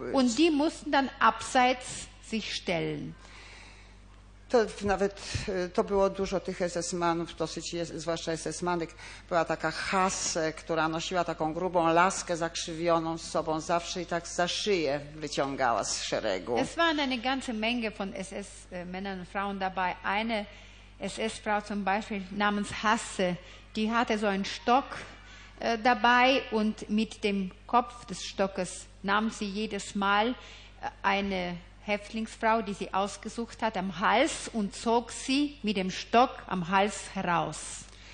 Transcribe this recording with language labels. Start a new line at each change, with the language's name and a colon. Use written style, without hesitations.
German: Und die mussten dann abseits sich stellen.
Polish: To nawet to było dużo tych SS-manów, dosyć zwłaszcza SS-manek. Była taka hase, która nosiła taką grubą laskę zakrzywioną z sobą zawsze i tak za szyję wyciągała z szeregu.
German: Es waren eine ganze Menge von SS-Männern und Frauen dabei. Eine SS-Frau zum Beispiel namens Hasse, die hatte so einen Stock dabei und mit dem Kopf des Stockes nahm sie jedes Mal eine Häftlingsfrau, die sie ausgesucht hat, am Hals und zog sie mit dem Stock am Hals heraus.